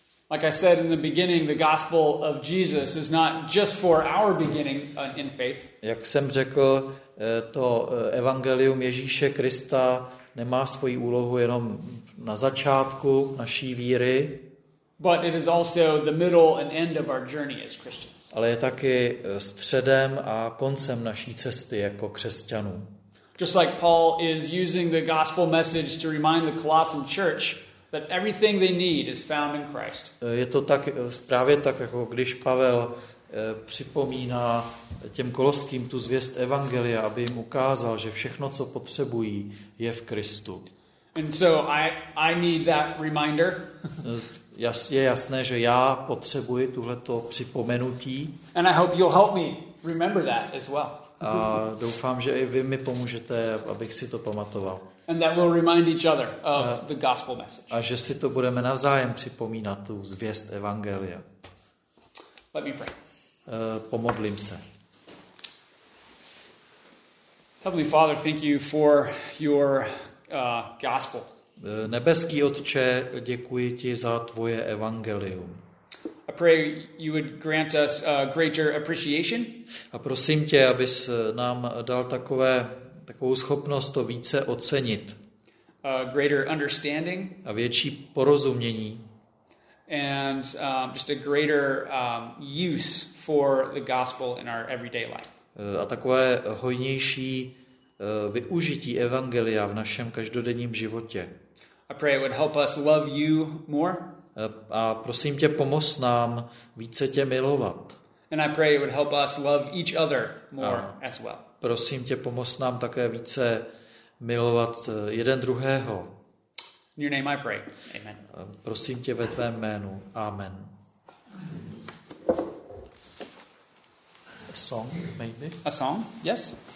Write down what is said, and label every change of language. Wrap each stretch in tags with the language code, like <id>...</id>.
<en>Like I said in the beginning, the gospel of Jesus is not just for our beginning in faith.</en> <cs>Jak jsem řekl, to evangelium Ježíše Krista nemá svoji úlohu jenom na začátku naší víry.</cs> <en>But it is also the middle and end of our journey as Christians.</en> <cs>Ale je taky středem a koncem naší cesty jako křesťanů.</cs> <en>Just like Paul is using the gospel message to remind the Colossian church that everything they need is found in Christ.</en> <cs>Je to tak právě tak, jako když Pavel připomíná těm koloským tu zvěst evangelia, aby jim ukázal, že všechno, co potřebují, je v Kristu.</cs> <en>And so I need that reminder.</en> <cs>Je jasné, že já potřebuji tuhleto připomenutí.</cs> <en>And I hope you'll help me remember that as well.</en> <cs>A doufám, že i vy mi pomůžete, abych si to pamatoval.</cs> <en>And that we'll remind each other of the gospel message.</en> <cs>A že si to budeme navzájem připomínat, tu zvěst evangelia.</cs> <en>Let me pray.</en> <cs>Pomodlím se.</cs> <en>Heavenly Father, thank you for your gospel.</en> <cs>Nebeský Otče, děkuji ti za tvoje evangelium.</cs> <en>I pray you would grant us a greater appreciation.</en> <cs>A prosím tě, abys nám dal takovou schopnost to více ocenit.</cs> <en>A greater understanding.</en> <cs>A větší porozumění.</cs> <en>And just a greater use for the gospel in our everyday life.</en> <cs>A takové hojnější využití evangelia v našem každodenním životě.</cs> <en>I pray it would help us love you more.</en> <cs>A prosím tě, pomoz nám více tě milovat.</cs> <en>And I pray it would help us love each other more as well.</en> <cs>Prosím tě, pomoz nám také více milovat jeden druhého.</cs> <en>In your name I pray. Amen.</en> <cs>Prosím tě ve tvém jménu. Amen.</cs> <en>Song, maybe? A song, yes.</en>